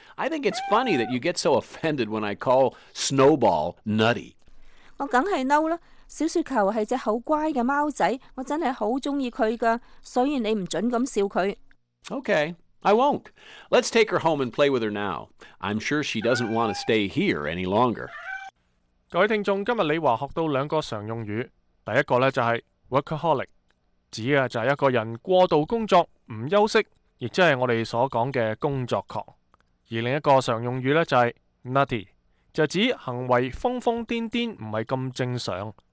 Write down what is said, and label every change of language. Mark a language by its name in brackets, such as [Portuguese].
[English] I think it's funny that you get so offended when I call Snowball nutty. [Cantonese] 我梗系嬲啦，小雪球系只好乖嘅猫仔，我真系好中意佢噶，所以你唔准咁笑佢。 [English] Okay, I won't. Let's take her home and play with her now. I'm sure she doesn't want to stay here any longer. [Cantonese] 各位听众，今日李华学到两个常用语，第一个咧就系 workaholic， 指嘅就系一个人过度工作唔休息，亦即系我哋所讲嘅工作狂；而另一个常用语咧就系 nutty， 就指行为疯疯癫癫，唔系咁正常。